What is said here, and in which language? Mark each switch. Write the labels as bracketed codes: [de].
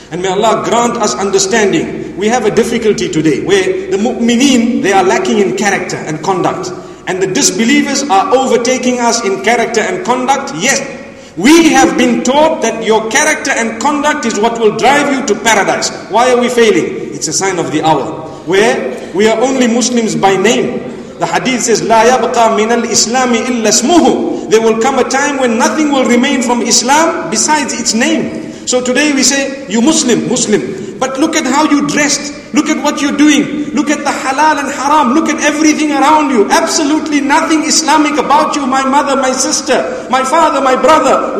[en] And may Allah grant us understanding. We have a difficulty today where the mu'mineen, they are lacking in character and conduct. And the disbelievers are overtaking us in character and conduct. Yes. We have been taught that your character and conduct is what will drive you to paradise. Why are we failing? It's a sign of the hour. Where we are only Muslims by name. The hadith says, [ar] لا يبقى من الإسلام إلا اسمه. [en] There will come a time when nothing will remain from Islam besides its name. So today we say, you Muslim, Muslim. But look at how you dressed. Look at what you're doing. Look at the halal and haram. Look at everything around you. Absolutely nothing Islamic about you, my mother, my sister, my father, my brother.